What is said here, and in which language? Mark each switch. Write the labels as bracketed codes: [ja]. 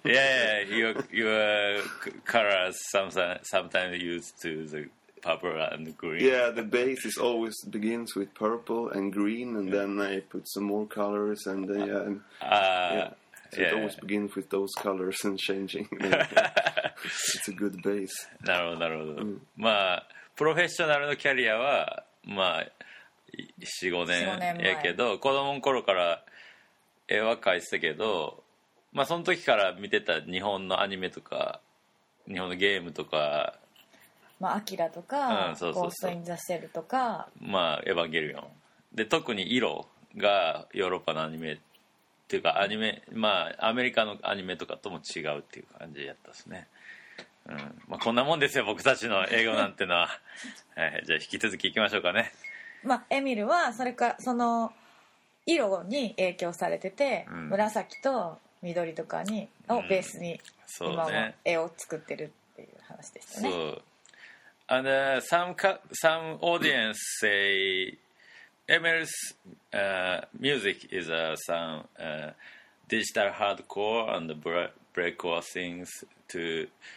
[en] your colors sometimes used to the purple and green. Yeah, the base is always begins with purple and green, and then I put some more colors, and it always begins with those colors and changing. It's a good base. [ja] なるほど。まあ、プロフェッショナルのキャリアは、まあ、4-5年やけど、子供の頃から絵は描いてたけど、まあ、その時から見てた日本のアニメとか、日本のゲームとか、まあ、アキラとか、ゴースト・イン・ザ・シェルとか、まあ、エヴァンゲリオン。で、特に色がヨーロッパのアニメ、っていうかアニメ、まあアメリカのアニメとかとも違うっていう感じやったですね。まあこんなもんですよ、僕たちの英語なんてのは。じゃあ引き続きいきましょうかね。まあエミルはそれかその色に影響されてて、紫と緑とかにをベースに今も絵を作ってるっていう話でしたね。そう。 [en] And some audience say Emil's music is some digital hardcore and breakcore things to